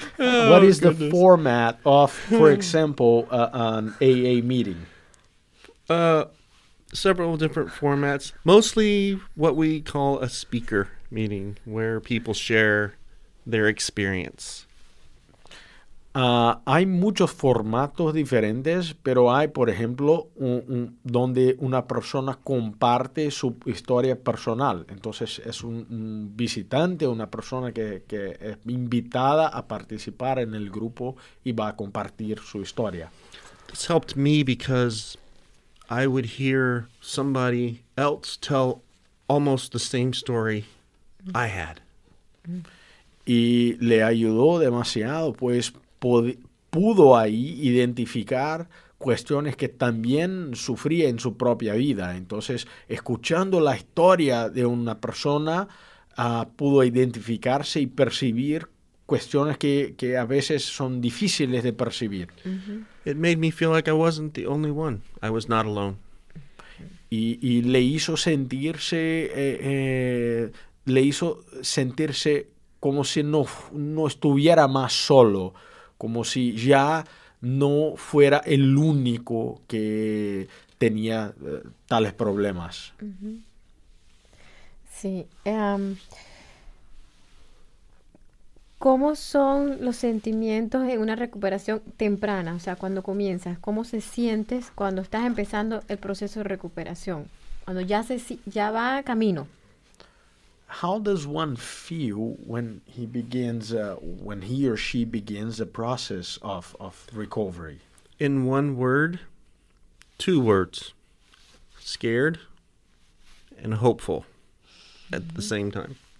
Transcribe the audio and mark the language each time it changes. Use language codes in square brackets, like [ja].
[en] What is the format of, for example, an AA meeting? Several different formats. Mostly what we call a speaker meeting, where people share their experience. [es] Hay muchos formatos diferentes, pero hay, por ejemplo, donde una persona comparte su historia personal. Entonces, es un visitante, una persona que es invitada a participar en el grupo y va a compartir su historia. [en] This helped me because I would hear somebody else tell almost the same story I had. [es] Y le ayudó demasiado, pues pudo ahí identificar cuestiones que también sufría en su propia vida. Entonces, escuchando la historia de una persona, pudo identificarse y percibir cuestiones que a veces son difíciles de percibir. [en] Mm-hmm. It made me feel like I wasn't the only one. I was not alone. [es] Y le hizo sentirse, como si no estuviera más solo, como si ya no fuera el único que tenía tales problemas. Uh-huh. Sí. ¿Cómo son los sentimientos en una recuperación temprana? O sea, cuando comienzas, ¿cómo se sientes cuando estás empezando el proceso de recuperación? Cuando ya va a camino. [en] How does one feel when he begins, when he or she begins the process of recovery? In one word, two words, scared and hopeful at the same time.